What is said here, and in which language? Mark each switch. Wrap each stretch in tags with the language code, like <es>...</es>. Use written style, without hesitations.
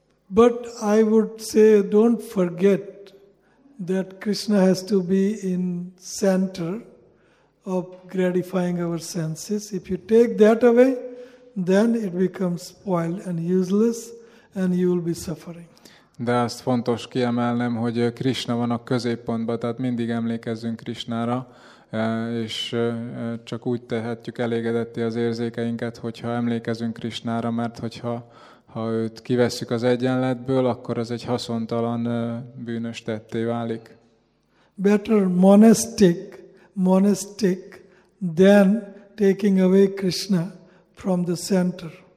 <en>But I would say, don't forget that Krishna has to be in center of gratifying our senses. If you take that away, then it becomes spoiled and useless, and you will be suffering.</en> <hu>De azt fontos kiemelnem, hogy Krishna van a középpontban, tehát mindig emlékezzünk Krishnára, és csak úgy tehetjük elégedetti az érzékeinket, hogyha emlékezünk Krishnára, mert hogyha őt kivesszük az egyenletből, akkor az egy haszontalan bűnös tetté válik.</hu> <en>Better monastic than taking away Krishna from the center.</en>